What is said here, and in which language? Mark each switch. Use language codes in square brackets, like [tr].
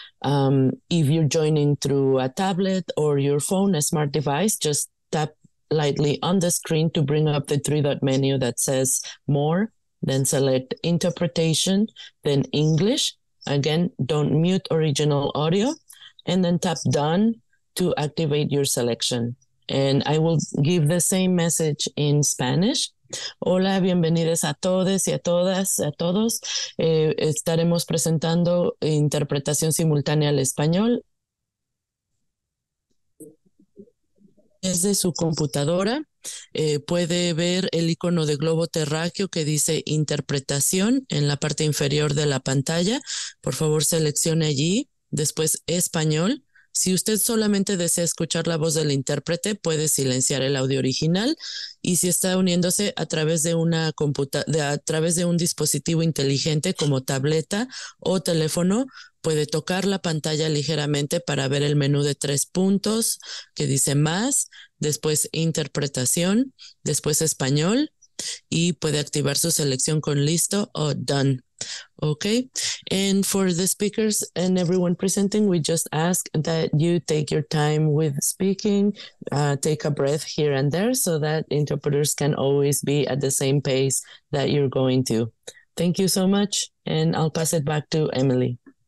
[en] If you're joining through a tablet or your phone, a smart device, just tap lightly on the screen to bring up the three-dot menu that says More, then select Interpretation, then English. Again, don't mute original audio, and then tap Done to activate your selection. And I will give the same message in Spanish. [es] Hola, bienvenidos a todos y a todas, a todos. Estaremos presentando interpretación simultánea al español. Desde su computadora, puede ver el icono de globo terráqueo que dice interpretación en la parte inferior de la pantalla. Por favor, seleccione allí, después español. Si usted solamente desea escuchar la voz del intérprete, puede silenciar el audio original. Y si está uniéndose a través de una a través de un dispositivo inteligente como tableta o teléfono, puede tocar la pantalla ligeramente para ver el menú de tres puntos que dice más, después interpretación, después español y puede activar su selección con listo o done. [en] Okay, and for the speakers and everyone presenting, we just ask that you take your time with speaking, take a breath here and there so that interpreters can always be at the same pace that you're going to. Thank you so much, and I'll pass it back to Emily.